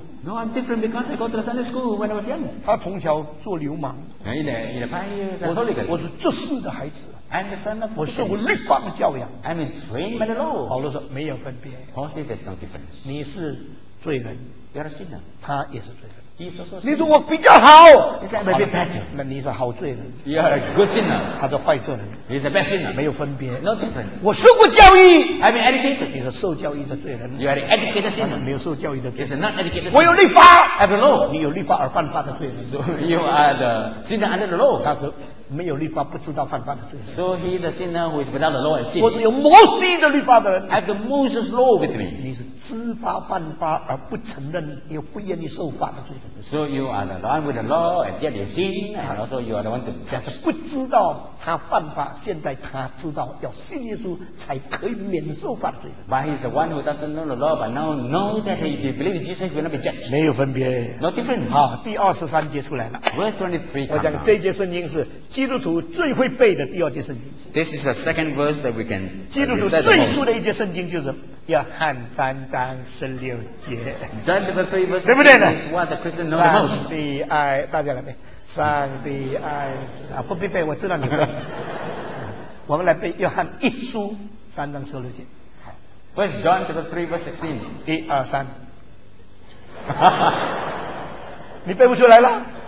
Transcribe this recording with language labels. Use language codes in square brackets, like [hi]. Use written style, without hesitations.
[en] ，no I'm different because I go to the Sunday school when I was young， [zh] 他从小做流氓，我是自私的孩子。 [en] I'm the son of [zh] 我受过律法的教养。 [en] I'm trained by the law。 [zh] 保罗说没有分别。 [en] Paul said there's no difference。 [zh] 你是罪人。 [en] You're a sinner。 [zh] 他也是罪人。你说我比较好。 [en] He said, better. [zh] 那你是好罪人。 [en] You are a good sinner. [zh] 他是坏罪人。 [en] He's a bad sinner. [zh] 没有分别。 [en] No difference. [zh] 我受过教育。 [en] I've been educated. [zh] 你是受教育的罪人。 [en] You are an educated sinner. [zh] 没有受教育的罪人。 [en] He's not educated sinner. [zh] 我有律法。 [en] Have the law. [zh] 你有律法而犯法的罪人。 [en] So you are the sinner under the law. [zh] 他是没有律法不知道犯法的罪人。 [en] So he the sinner who is without the law and sin. [zh] 我是有摩西的律法的人。 [en] Have the Moses law with me. [zh] 你是知法犯法而不承认也不愿意受法的罪人。 [en] So you are the one with the law and yet you sin, and also you are the one to be judged. [zh] 他不知道他犯法，现在他知道要信耶稣才可以免受犯罪。 [en] But he's the one who doesn't know the law, but now know that if you believe in Jesus, you will not be judged. [zh] 没有分别。 [en] No difference. [zh] 好，第二十三节出来了。 [en] Verse 23. [zh] 我讲这节圣经是基督徒最会背的第二节圣经。 [en] This is the second verse that we can. [zh] 基督徒最熟的一节圣经就是约翰三章十六节。 [en] John chapter 3 verse 16 is what the Christian knows the most. [zh] 上帝爱大家来背。上帝爱啊，不必背，我知道你会。我们来背约翰一书三章十六节。 [en] First John chapter 3 verse 16. [zh] 一二三。你背不出来了。